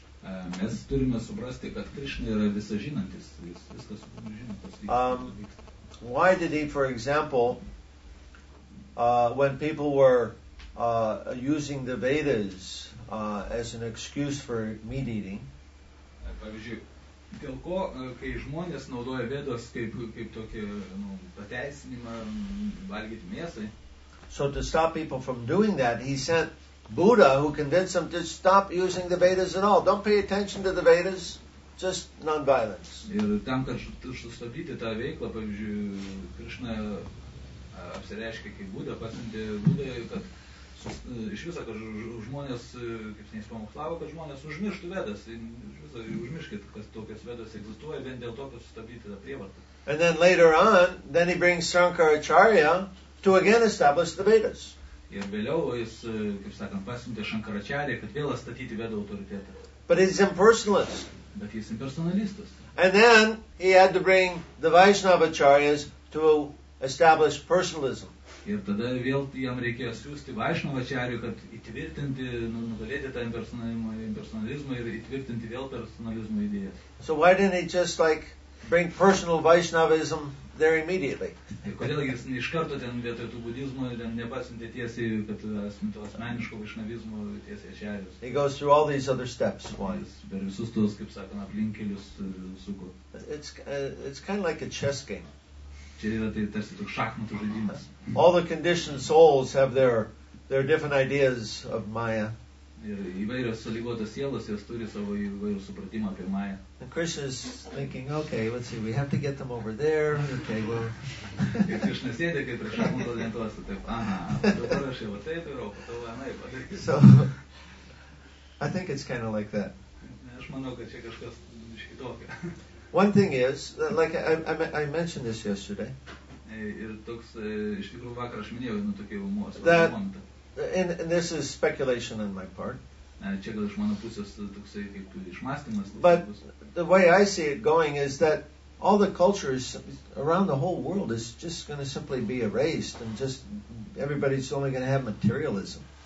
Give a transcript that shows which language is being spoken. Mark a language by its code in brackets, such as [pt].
[lt] Mes turime suprasti, kad Krishna yra visažinantis. Jis viskas žino. [en] Why did he, for example, when people were using the Vedas as an excuse for meat eating. [lt] Pavyzdžiui, dėl ko, kai žmonės naudoja Vedas kaip tokį pateisinimą valgyti mėsai. [en] So to stop people from doing that, he sent Buddha, who convinced them to stop using the Vedas at all. Don't pay attention to the Vedas, just non-violence. [lt] Ir tam, kad sustabdyti tą veiklą, pavyzdžiui, Krishna apsireiškia kaip Buddha, pasiuntė Buddha, kad iš viso, kad žmonės, kaip seniai pamokslavo, kad žmonės užmirštų Vedas. Iš viso, užmirškit, kas tokios Vedas egzistuoja, vien dėl to, kad sustabdyti tą prievartą. [en] And then later on, then he brings Shankaracharya to again establish the Vedas. [lt] Ir vėliau jis, kaip sakant, pasiuntė Shankaracharya, kad vėl atstatyti Vedų autoritetą. [en] But he's impersonalist. [lt] Bet jis impersonalistas. [en] And then he had to bring the Vaishnavacharyas to establish personalism. [lt] Ir tada vėl jam reikėjo siūsti Vaishnavacharyų, kad įtvirtinti, nugalėti tą impersonalizmą ir įtvirtinti vėl personalizmo idėją. [en] So why didn't he just like bring personal Vaishnavism there immediately? [lt] Kodėl jis iš karto ten vietoj tų budizmo nepasiuntė tiesiai, kad asmintų asmeniško vaishnavizmo tiesiai ačiarius? [en] He goes through all these other steps. Why? [lt] Jis per visus tos, kaip sakant, aplinkelius suko. [en] It's kind of like a chess game. [lt] Čia yra tai tarsi toks šachmatų žaidimas. [en] All the conditioned souls have their different ideas of Maya. [lt] Ir įvairios sąlygotos sielos, jos turi savo įvairių supratimą apie Maya. [en] And Krishna is thinking, okay, let's see, we have to get them over there, okay, well. [lt] Ir Krishna sėdė, kaip prie šachmatų lentos, taip, aha, dabar aš jau taip ir o, patau, anaip. [en] So, I think it's kind of like that. [lt] Aš manau, kad čia kažkas iš kitokio. [en] One thing is, like I mentioned this yesterday. [lt] Ir toks, iš tikrųjų, vakar aš minėjau, nu, tokį jau mūsų momentą. [en] And this is speculation on my part. [lt] Čia gal iš mano pusės toksai kaip išmastymas. [en] But the way I see it going is that all the cultures around the whole world is just going to simply be erased and just everybody's only going to have materialism.